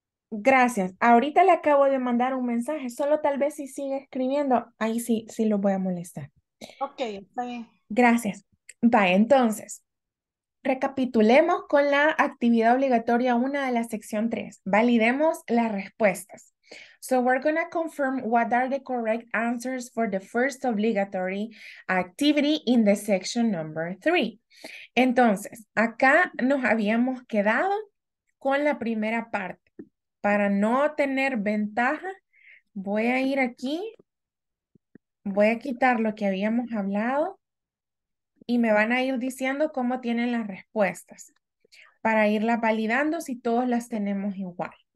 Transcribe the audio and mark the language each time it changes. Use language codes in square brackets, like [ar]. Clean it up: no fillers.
[es] Gracias. Ahorita le acabo de mandar un mensaje, solo tal vez si sigue escribiendo, ahí sí, sí lo voy a molestar. Ok, está bien. Gracias. Va, entonces. Recapitulemos con la actividad obligatoria 1 de la sección 3. Validemos las respuestas. [en] So we're going to confirm what are the correct answers for the first obligatory activity in the section number 3. [es] Entonces, acá nos habíamos quedado con la primera parte. Para no tener ventaja, voy a ir aquí, voy a quitar lo que habíamos hablado. Y me van a ir diciendo cómo tienen las respuestas para irlas validando si todos las tenemos igual.